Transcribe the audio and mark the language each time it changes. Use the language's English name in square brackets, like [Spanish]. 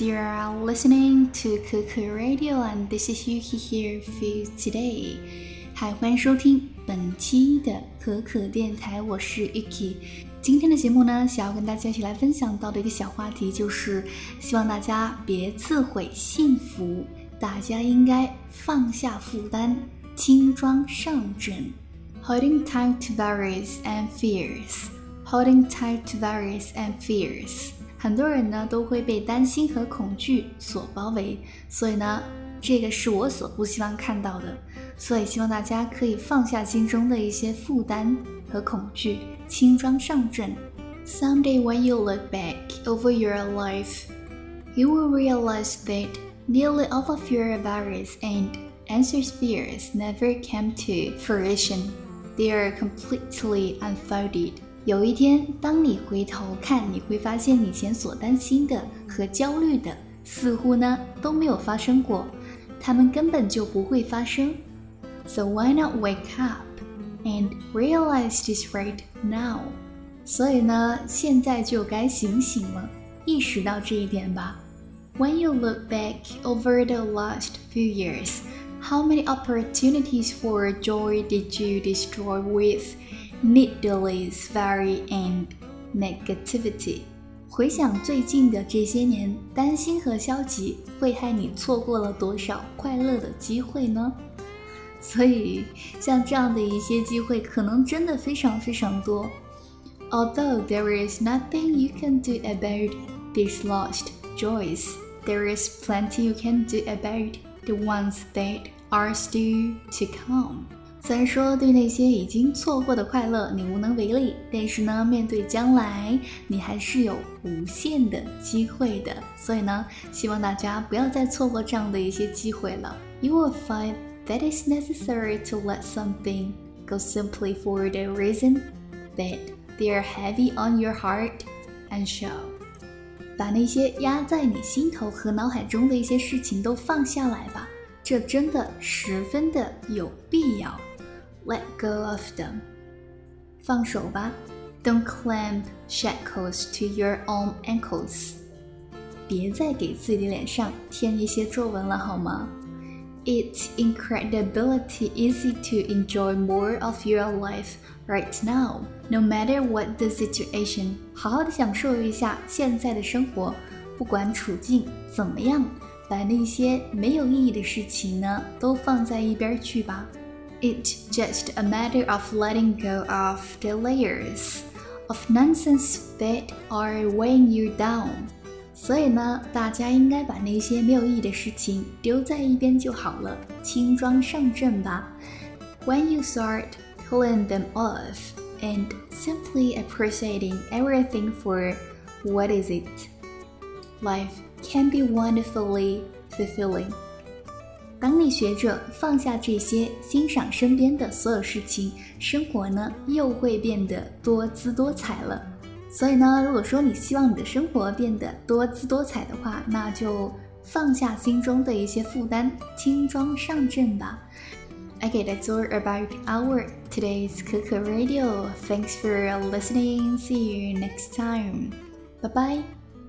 [English] You are listening to Cuckoo Radio, and this is Yuki here for you today. [Chinese] Hi, 欢迎收听本期的可可电台，我是 Yuki。今天的节目呢，想要跟大家一起来分享到的一个小话题，就是希望大家别自毁幸福，大家应该放下负担，轻装上阵。 [English] Holding tight to worries and fears. Holding tight to worries and fears. [Chinese] 很多人呢都会被担心和恐惧所包围，所以呢，这个是我所不希望看到的。所以希望大家可以放下心中的一些负担和恐惧，轻装上阵。 [English] Someday when you look back over your life, you will realize that nearly all of your worries and anxious fears never came to fruition. They are completely unfolded. [Chinese] 有一天，当你回头看，你会发现以前所担心的和焦虑的，似乎呢都没有发生过，他们根本就不会发生。 [English] So why not wake up and realize this right now? [Chinese] 所以呢，现在就该醒醒了，意识到这一点吧。 [English] When you look back over the last few years, how many opportunities for joy did you destroy with? Needless worry and negativity. [Chinese] 回想最近的这些年，担心和消极会害你错过了多少快乐的机会呢？所以，像这样的一些机会可能真的非常非常多。 [English] Although there is nothing you can do about these lost joys, there is plenty you can do about the ones that are still to come. [Chinese] 虽然说对那些已经错过的快乐你无能为力，但是呢，面对将来你还是有无限的机会的。所以呢，希望大家不要再错过这样的一些机会了。 [English] You will find that it's necessary to let something go simply for the reason that they are heavy on your heart and soul. [Chinese] 把那些压在你心头和脑海中的一些事情都放下来吧。这真的十分的有必要。 [English] Let go of them. [Chinese] 放手吧。 [English] Don't clamp shackles to your own ankles. [Chinese] 别再给自己脸上添一些皱纹了好吗？ [English] It's incredibly easy to enjoy more of your life right now, no matter what the situation. [Chinese] 好好地享受一下现在的生活，不管处境怎么样。把那些没有意义的事情呢，都放在一边去吧。 [English] It's just a matter of letting go of the layers of nonsense that are weighing you down. [Chinese] 所以呢，大家应该把那些没有意义的事情丢在一边就好了，轻装上阵吧。 [English] When you start pulling them off and simply appreciating everything for what is it, life. Can be wonderfully fulfilling. [Chinese] 当你学着放下这些，欣赏身边的所有事情，生活呢又会变得多姿多彩了。所以呢，如果说你希望你的生活变得多姿多彩的话，那就放下心中的一些负担，轻装上阵吧。 [English] Okay, that's all about our today's Cuckoo Radio. Thanks for listening. See you next time. Bye bye.